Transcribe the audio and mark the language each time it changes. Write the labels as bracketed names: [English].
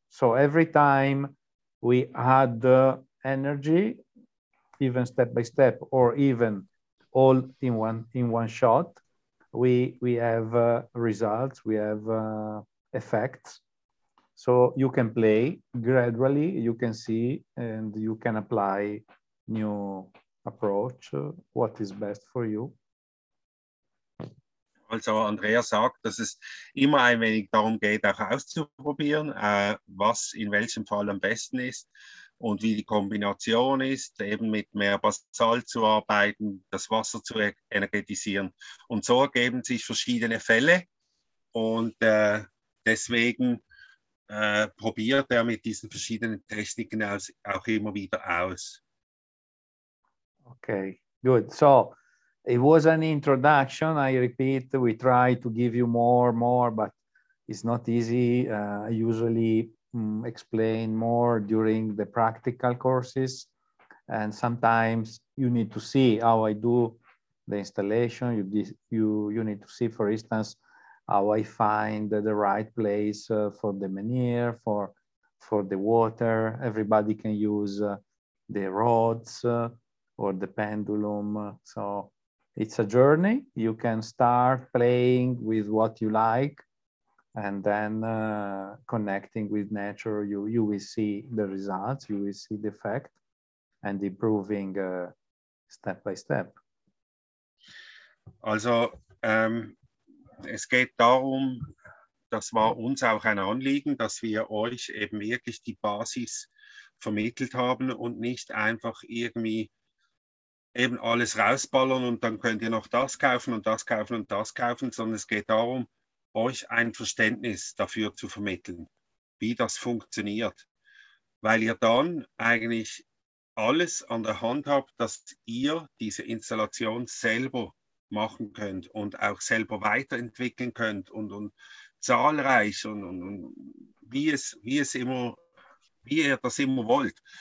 [English] So every time we add energy, even step by step, or even all in one shot, we have results, we have effects. So you can play gradually, you can see, and you can apply new approach, what is best for you. [German] Also Andrea sagt, dass es immer ein wenig darum geht, auch auszuprobieren, was in welchem Fall am besten ist und wie die Kombination ist, eben mit mehr Basalt zu arbeiten, das Wasser zu energetisieren. Und so ergeben sich verschiedene Fälle und deswegen probiert er mit diesen verschiedenen Techniken auch immer wieder aus. [English] Okay, good. So, it was an introduction. I repeat, we try to give you more, but it's not easy. I usually explain more during the practical courses. And sometimes you need to see how I do the installation. You need to see, for instance, how I find the right place for the manure, for the water. Everybody can use the rods or the pendulum. So it's a journey. You can start playing with what you like and then connecting with nature. You will see the results, you will see the effect and improving step by step. [German] Also, es geht darum, das war uns auch ein Anliegen, dass wir euch eben wirklich die Basis vermittelt haben und nicht einfach irgendwie eben alles rausballern und dann könnt ihr noch das kaufen und das kaufen und das kaufen, sondern es geht darum, euch ein Verständnis dafür zu vermitteln, wie das funktioniert, weil ihr dann eigentlich alles an der Hand habt, dass ihr diese Installation selber machen könnt und auch selber weiterentwickeln könnt und zahlreich und wie ihr das immer wollt.